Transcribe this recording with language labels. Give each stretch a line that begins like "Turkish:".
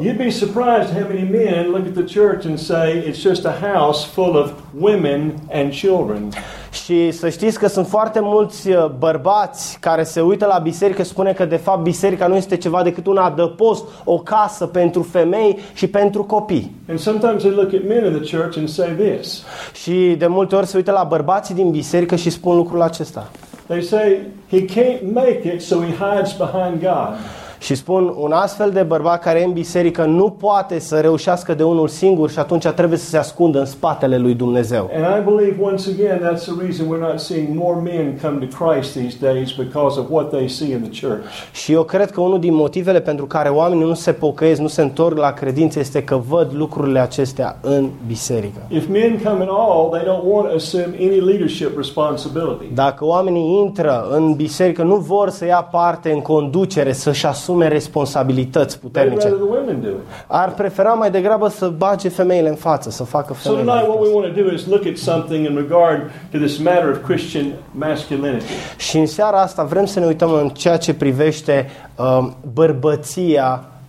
English: You'd be surprised how many men look at the church and say it's just a house full of women and children.
Romanian: Și să știți că sunt foarte mulți bărbați care se uită la biserică și spune că de fapt biserica nu este ceva decât un adăpost, o casă pentru femei și pentru copii.
English: And sometimes they look at men in the church and say this.
Romanian: Și de multe ori se uită la bărbații din biserică și spun lucrul acesta.
English: They say he can't make it, so he hides behind God.
Romanian: Și spun, un astfel de bărbat care e în biserică nu poate să reușească de unul singur și atunci trebuie să se ascundă în spatele lui Dumnezeu.
English: And I believe once again that's the reason we're not seeing more men come to Christ these days, because of what they see in the church.
Romanian: Și eu cred că unul din motivele pentru care oamenii nu se pocăiesc, nu se întorc la credință, este că văd lucrurile acestea în biserică.
English: If men come at all, they don't want to assume any leadership responsibility.
Romanian: Dacă oamenii intră în biserică, nu vor să ia parte în conducere, să-și asume responsabilități puternice. Ar prefera mai degrabă să bage femeile în față, să facă femeile.
English: So tonight what we want to do is look at something in regard to this matter of Christian masculinity.
Romanian: Și în seara asta vrem să ne uităm în ceea ce privește bărbăția